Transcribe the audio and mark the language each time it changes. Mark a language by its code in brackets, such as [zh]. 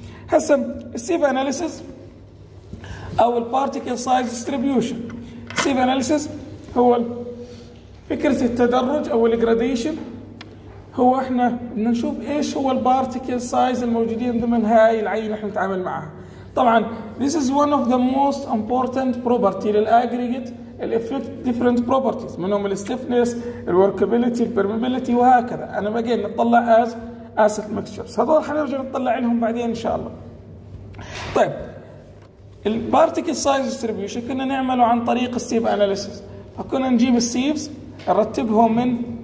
[ar] هسا السيف أناليسيس أو البارتيكل سايز ديستريبيوشن. سيف أناليسيس هو فكرة التدرج أو الجراديشن، هو إحنا بدنا نشوف إيش هو البارتيكل سايز الموجودين ضمن هاي العينة اللي إحنا نتعامل معها. طبعاً [en] this is one of the most important property [ar] للأجريجيت، الإفكت [en] different properties [ar] منهم الاستيفنس، الوركابيليتي، البرميبيليتي وهكذا. أنا باجي نطلع as أسف مكسشرز، هذول حنرجع نطلع عليهم بعدين إن شاء الله. طيب البارتيكل سايز ديستريبيوشن كنا نعمله عن طريق السيف أناليسيس، فكنا نجيب السيفز نرتبهم من